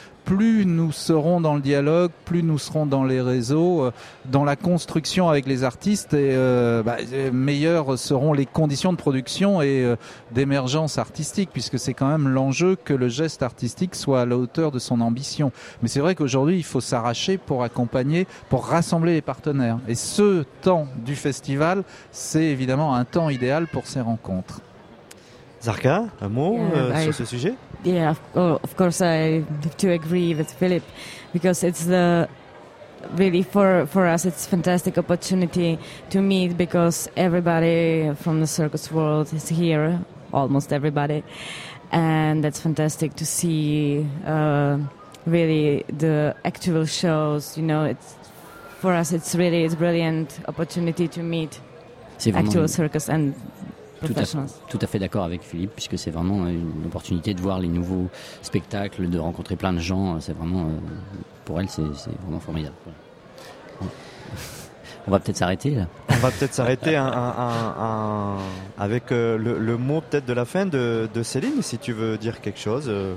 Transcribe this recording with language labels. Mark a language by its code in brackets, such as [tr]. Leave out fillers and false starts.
[fr] plus nous serons dans le dialogue, plus nous serons dans les réseaux, dans la construction avec les artistes, et meilleures seront les conditions de production et d'émergence artistique, puisque c'est quand même l'enjeu que le geste artistique soit à la hauteur de son ambition. Mais c'est vrai qu'aujourd'hui, il faut s'arracher pour accompagner, pour rassembler les partenaires. Et ce temps du festival, c'est évidemment un temps idéal pour ces rencontres. Zarka, un mot sur ce sujet? [en] Yeah, of course I have to agree with Philip, because it's the really for us it's a fantastic opportunity to meet, because everybody from the circus world is here, almost everybody, and that's fantastic to see really the actual shows, you know, it's for us it's really a brilliant opportunity to meet actual circus and [fr] Tout à fait d'accord avec Philippe, puisque c'est vraiment une opportunité de voir les nouveaux spectacles, de rencontrer plein de gens. C'est vraiment, pour elle, c'est vraiment formidable. On va peut-être s'arrêter là. On va peut-être s'arrêter avec le mot peut-être de la fin de Céline, si tu veux dire quelque chose.